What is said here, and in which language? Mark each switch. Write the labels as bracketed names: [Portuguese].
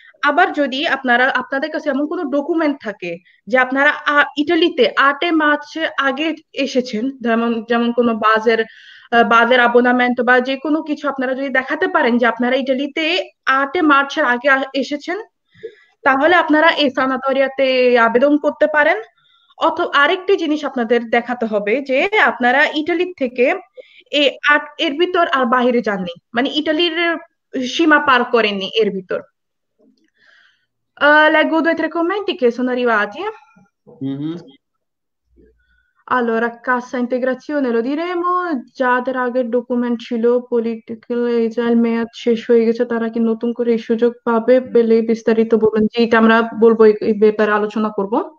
[Bangla] আবার যদি আপনারা আপনাদের কাছে এমন কোনো ডকুমেন্ট থাকে যে আপনারা ইটালিতে 8ই মার্চের আগে এসেছেন, যেমন যেমন কোনো বাসের অ্যাবোনামেন্ট বা যে কোনো কিছু আপনারা যদি দেখাতে পারেন যে আপনারা ইটালিতে 8ই মার্চের আগে এসেছেন, তাহলে আপনারা এই সানাতোরিয়াতে আবেদন করতে পারেন। অথবা আরেকটি জিনিস আপনাদের দেখাতে হবে যে আপনারা ইটালি থেকে এর ভিতর আর বাহিরে যাননি, মানে ইটালির সীমা পার করেননি এর ভিতর। [Italian] Leggo due tre commenti che sono arrivati. Allora, cassa integrazione lo diremo. [Bangla] Già der আগে document ছিল, political exile মেয়াদ শেষ হয়ে গেছে, তারা কি নতুন করে সুযোগ পাবে পেলে বিস্তারিত বলবেন, যে এটা আমরা বলবো, এই ব্যাপারে আলোচনা করব।